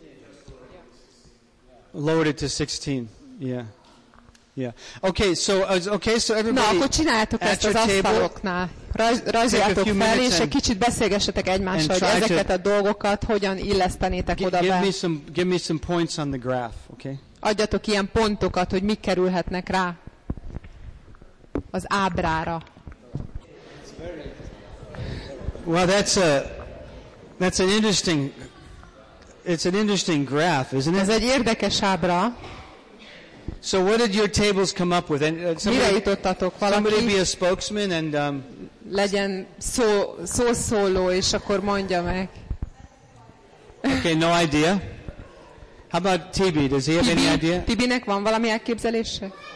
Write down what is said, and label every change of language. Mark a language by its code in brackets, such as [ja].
[en] yeah. Lowered it to 16. Yeah. Yeah. Okay, so everybody. [hu] Na, akkor csináljátok ezt az asztaloknál. Rajzoljátok fel, és egy kicsit beszélgessetek egymással, hogy ezeket a dolgokat hogyan illesztenétek oda be. [en] Give me some points on the graph, okay? [hu] Adjatok ilyen pontokat, hogy mik kerülhetnek rá az ábrára. [en] Well, that's an interesting graph, isn't it? [hu] Ez egy érdekes ábra. [en] So what did your tables come up with? [hu] Mire jutottatok valaki? [en] Somebody be a spokesman and [hu] legyen szószóló, és akkor mondja meg. [en] Okay, no idea. How about TB? Does he have any idea? [hu] TB-nek van valami elképzelése?